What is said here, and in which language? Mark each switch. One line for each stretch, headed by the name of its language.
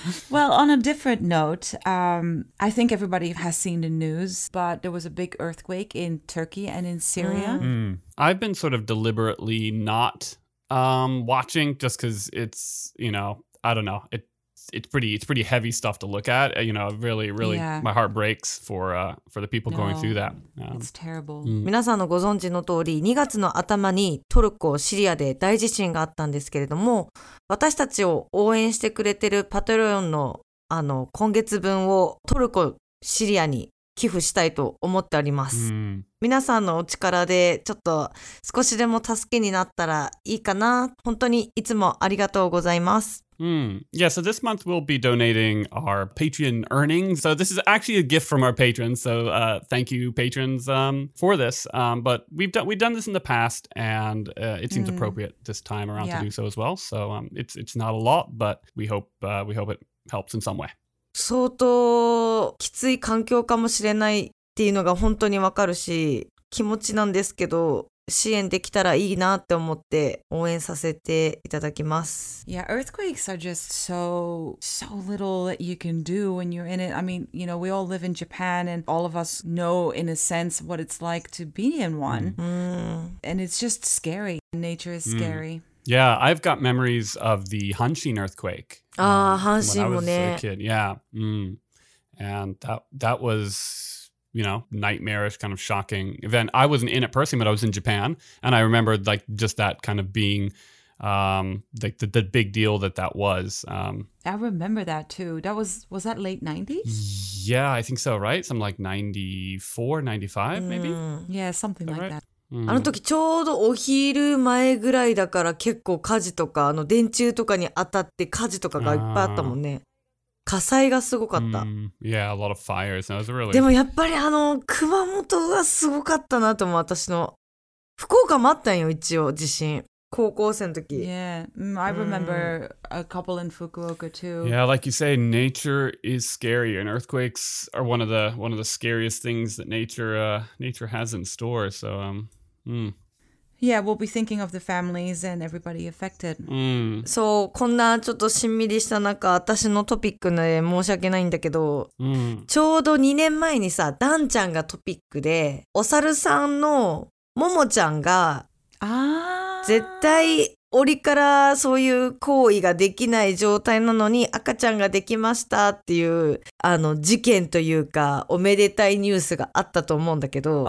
English: Well, on a different note, I think everybody has seen the news, but there was a big earthquake in Turkey and in Syria. I've been sort of deliberately not watching just because it's, you know, I don't know. It's pretty heavy stuff to look at. You know, really, really, my heart breaks for the people going through that. It's terrible.
Japanese: 皆さんのご存知の通り、2月の頭にトルコ、シリアで大地震があったんですけれども、私たちを応援してくれてるパトロンの、今月分をトルコ、シリアに寄寄付したいと思っております。皆さんのお力でちょっと少しでも助けになったらいいかな。本当にいつもありがとうございます。
English: Yeah, so this month we'll be donating our Patreon earnings. So this is actually a gift from our patrons. So thank you, patrons, for this. But we've done this in the past, and it seems appropriate this time around to do so as well. So it's not a lot, but we hope it helps in some way.
Japanese: 相当きつい環境かもしれないっていうのが本当にわかるし、気持ちなんですけど。支援できたらいいなって思って応援させていただきます。
English: Yeah, earthquakes are just so little that you can do when you're in it. I mean, you know, we all live in Japan and all of us know in a sense what it's like to be in one. And it's just scary. Nature is scary. Yeah, I've got memories of the Hanshin earthquake.
Japanese: Ah, Hanshin もね。
English: When I was a kid, yeah. And that was... You know, nightmarish, kind of shocking event. I wasn't in it personally, but I was in Japan. And I remember, like, just that kind of being, like, the big deal that was. I remember that, too. That was that late 90s? Yeah, I think so, right? Something like 94, 95, maybe? Yeah, something like that.
Japanese: あの時ちょうどお昼前ぐらいだから結構火事とか、あの電柱とかに当たって火事とかがいっぱいあったもんね。火災がすごかった。
English: Yeah, a lot of fires. That was really...
Japanese: でもやっぱりあの熊本がすごかったなと思う。私の福岡もあったんよ、一応地震。高校生の時。
English: Yeah, I remember a couple in Fukuoka too. Yeah, like you say, nature is scary, and earthquakes are one of the scariest things that nature has in store. So, Yeah, we'll be thinking of the families and everybody affected.
Japanese: So, こんなちょっとしんみりした中、私のトピックで申し訳ないんだけど、ちょうど2年前にさ、ダンちゃんがトピックで、お猿さんのももちゃんが、絶対檻からそういう行為ができない状態なのに赤ちゃんができましたっていうあの事件というかおめでたいニュースがあったと思うんだけど。